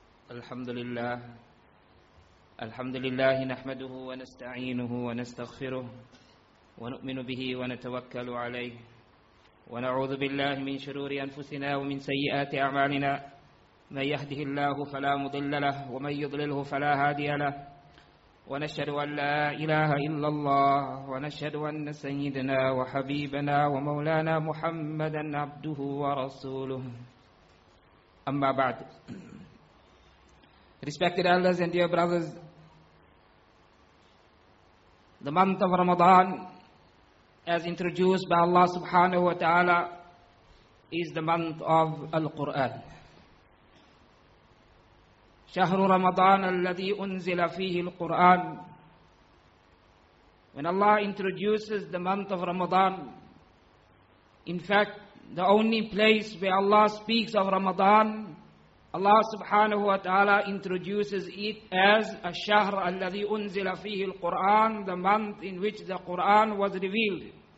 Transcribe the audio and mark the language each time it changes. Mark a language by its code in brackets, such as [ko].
[ar] الحمد لله، الحمد لله، نحمده ونستعينه ونستغفره ونؤمن به ونتوكل عليه، ونعوذ بالله من شرور أنفسنا ومن سيئات أعمالنا. من يهده الله فلا مضل له، ومن يضلله فلا هادي له. ونشهد أن لا إله إلا الله، ونشهد أن سيدنا وحبيبنا ومولانا محمدًا عبده ورسوله. أما بعد، [en] respected elders and dear brothers, the month of Ramadan, as introduced by Allah subhanahu wa ta'ala, is the month of Al-Qur'an. [ar] شهر رمضان الذي أنزل فيه القرآن. [en] When Allah introduces the month of Ramadan, in fact, the only place where Allah speaks of Ramadan, Allah subhanahu wa ta'ala introduces it as [ar] الشهر الذي أنزل فيه القرآن, [en] the month in which the Quran was revealed.